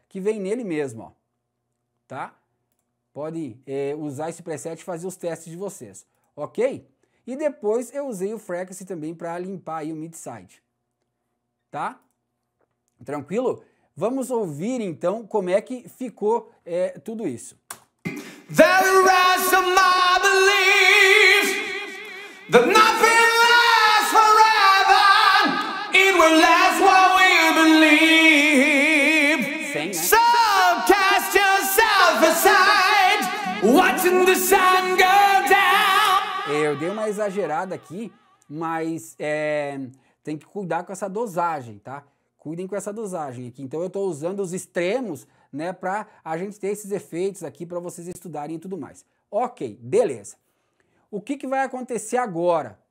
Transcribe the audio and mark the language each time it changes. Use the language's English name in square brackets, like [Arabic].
[Portuguese] Que vem nele mesmo, ó, tá? Pode usar esse preset e fazer os testes de vocês, ok? E depois eu usei o Frequency também para limpar aí o mid-side, tá? Tranquilo? Vamos ouvir então como é que ficou tudo isso. [English] There rests a my belief that nothing lasts forever. It will last what we believe. So cast yourself aside, watching the sun go down. [Portuguese] Eu dei uma exagerada aqui, mas tem que cuidar com essa dosagem, tá? Cuidem com essa dosagem aqui. Então eu tô usando os extremos, né, para a gente ter esses efeitos aqui para vocês estudarem e tudo mais. Ok, beleza. O que vai acontecer agora?